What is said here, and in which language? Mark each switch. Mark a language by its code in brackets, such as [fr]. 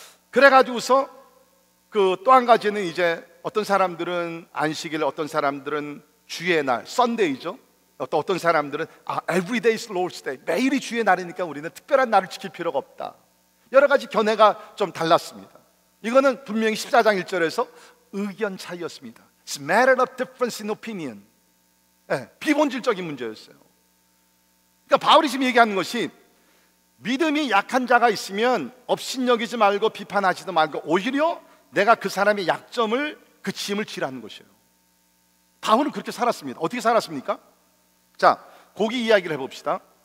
[ko] 그래가지고서 그 또 한 가지는 이제 어떤 사람들은 안식일, 어떤 사람들은 주의 날, 썬데이죠. 또 어떤 사람들은 [en] every day is Lord's day, [ko] 매일이 주의 날이니까 우리는 특별한 날을 지킬 필요가 없다. 여러 가지 견해가 좀 달랐습니다. 이거는 분명히 14장 1절에서 의견 차이였습니다. [en] It's a matter of difference in opinion. [ko] 네, 비본질적인 문제였어요. 그러니까 바울이 지금 얘기하는 것이 믿음이 약한 자가 있으면 업신여기지 말고 비판하지도 말고 오히려 내가 그 사람의 약점을, 그 짐을 지라는 것이에요. 바울은 그렇게 살았습니다. 어떻게 살았습니까? 자, 고기 이야기를 해봅시다.